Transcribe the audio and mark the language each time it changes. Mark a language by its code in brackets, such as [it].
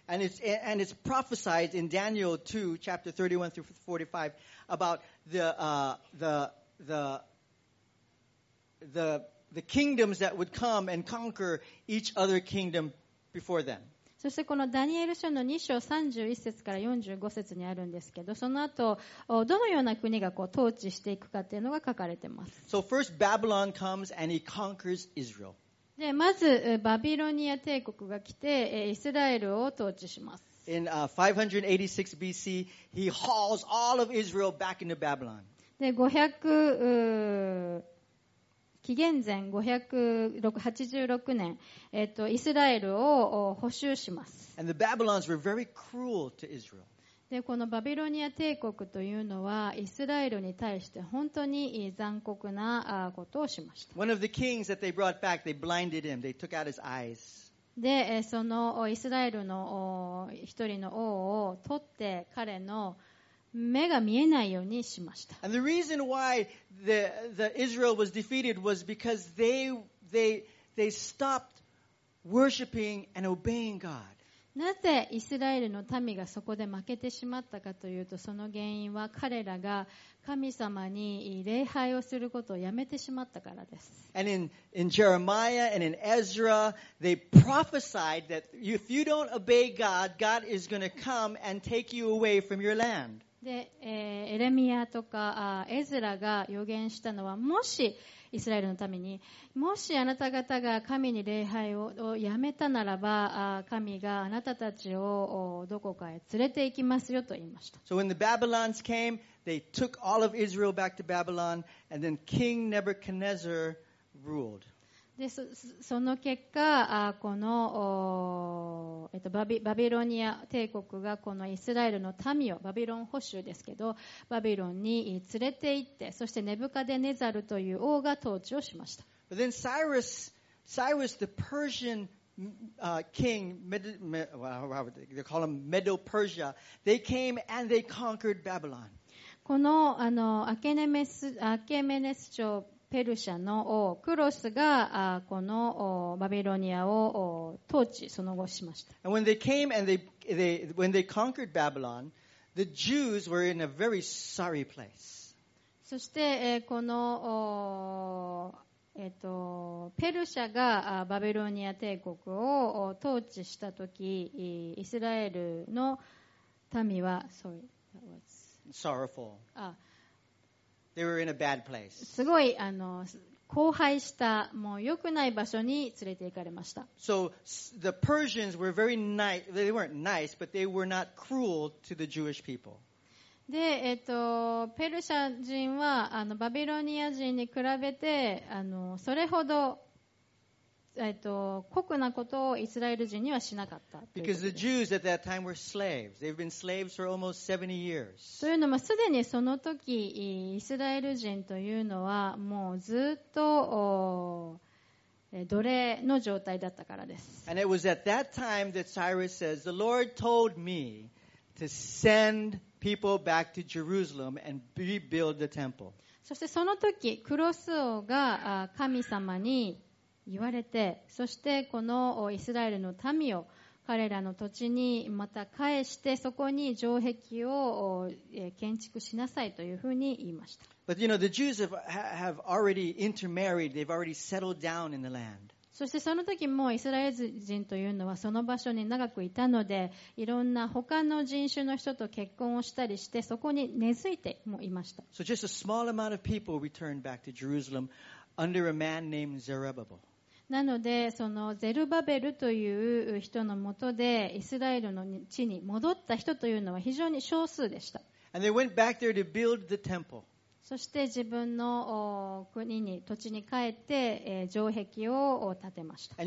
[en] And it's prophesied in Daniel 2, chapter 31 through 45 about the kingdoms that would come and conquer each other kingdom before them. [ja] そしてこのダニエル書の2章31節から45節にあるんですけど、その後どのような国がこう統治していくかっていうのが書かれてます。 [en] So first Babylon comes and he conquers Israel. [ja] でまずバビロニア帝国が来てイスラエルを統治します。 [en] In 586 BC, he hauls all of Israel back into Babylon. [ja] で紀元前586年、イスラエルを捕囚します。 [en] And the Babylonians were very cruel to Israel. [ja] で、このバビロニア帝国というのは、イスラエルに対して本当に残酷なことをしました。 [en] One of the kings that they brought back, they blinded him. They took out his eyes. [ja] で、そのイスラエルの一人の王を取って、彼の目が見えないようにしました。 [en] And the reason why the Israel was defeated was because they stopped worshiping and obeying God. [ja] なぜイスラエルの民がそこで負けてしまったかというと、その原因は彼らが神様に礼拝をすることをやめてしまったからです。 [en] And in Jeremiah and in Ezra, they prophesied that if you don't obey God, God is going to come and take you away from your land. [ja] で、エレミアとかエズラが予言したのは、もしイスラエルのためにもしあなた方が神に礼拝をやめたならば、神があなたたちをどこかへ連れて行きますよと言いました。 [en] So when the Babylons came, they took all of Israel back to Babylon, and then King Nebuchadnezzar ruled. [ja] で、その結果、このバビロニア帝国がこのイスラエルの民をバビロン捕囚ですけど、バビロンに連れて行って、そしてネブカデネザルという王が統治をしました。 [en] But then Cyrus the Persian king, they call him Medo-Persia, they came and they conquered Babylon. [ja] この、アケメネス朝ペルシャの王クロスがこのバビロニアを統治その後しました。 [en] And when they came and when they conquered Babylon, the Jews were in a very sorry place. [ja] そしてこのペルシャがバビロニア帝国を統治した時、イスラエルの民は [en] sorrowful。 They were in a bad place. [ja] すごい荒廃した、もう良くない場所に連れて行かれました。 [en] So the Persians were very nice. They weren't nice, but they were not cruel to the Jewish people. [ja] で、ペルシャ人はバビロニア人に比べてそれほど酷なことをイスラエル人にはしなかった。 [en] Because the Jews at that time were slaves. They've been slaves for almost 70 years. [ja] というのもすでにその時イスラエル人というのはもうずっと奴隷の状態だったからです。 [en] And it was at that time that Cyrus says, "The Lord told me to send people back to Jerusalem and rebuild the temple." [ja] そしてその時クロス王が神様に言われて、そしてこのイスラエルの民を彼らの土地にまた返して、そこに城壁を建築しなさいというふうに言いました。 [en] But you know, the Jews have already intermarried. They've already settled down in the land. [ja] そしてその時もイスラエル人というのはその場所に長くいたので、いろんな他の人種の人と結婚をしたりして、そこに根付いてもいました。 [en] So just a small amount of people returned back to Jerusalem under a man named Zerubbabel. [ja] なのでそのゼルバベルという人のもとでイスラエルの地に戻った人というのは非常に少数でした。 [en] And they went back there to build the temple. [ja] そして自分の国に土地に帰って城壁を建てました。